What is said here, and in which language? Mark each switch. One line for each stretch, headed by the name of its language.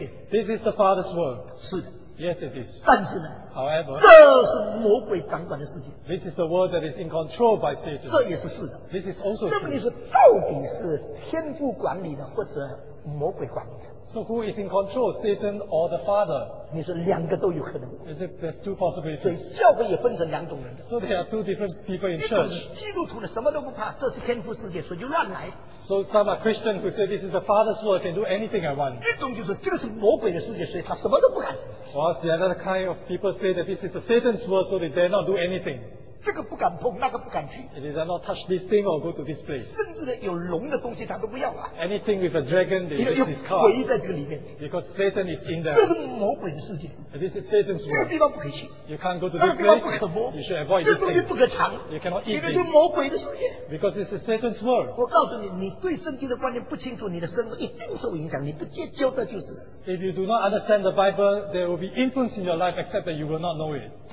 English: This is the Father's world. Yes, it is.
Chinese: 但是呢,
English: however,
Chinese: 这是魔鬼掌管的世界,
English: this is the world that is in control by Satan.
Chinese: 这也是是的,
English: this is also true.
Chinese: 那么你说到底是天父管理的, 或者魔鬼管理的?
English: So who is in control, Satan or the Father?
Chinese: 你说两个都有可能.
English: Is it, there's two possibilities.
Chinese: 所以教会也分成两种人.
English: So there are two different people in church.
Chinese: 基督徒的什么都不怕, 这是天父世界, 所以就乱来.
English: So some are Christian who say this is the Father's will, I can do anything I want.
Chinese: 一种就是这个是魔鬼的世界, 所以他什么都不敢.
English: Whereas the other kind of people say that this is the Satan's world, so they dare not do anything.
Chinese: 这个不敢碰, 那个不敢去,
English: they dare not touch this thing or go to this place.
Chinese: 甚至有龙的东西,
English: anything with a dragon, they just discard.
Chinese: 有鬼在这个里面,
English: because Satan is in there.
Chinese: 这是魔鬼的世界,
English: this is Satan's world.
Chinese: 这个地方不可以去,
English: you can't go to this place. You should avoid this thing.
Chinese: 这东西不可尝,
English: you cannot eat this.
Chinese: 这是魔鬼的世界,
English: because this is Satan's world.
Chinese: 我告诉你, 你对圣经的观念不清楚, 你的生活一定受影响, 你不接教的就是,
English: if you do not understand the Bible, there will be influence in your life, except that you will not know it.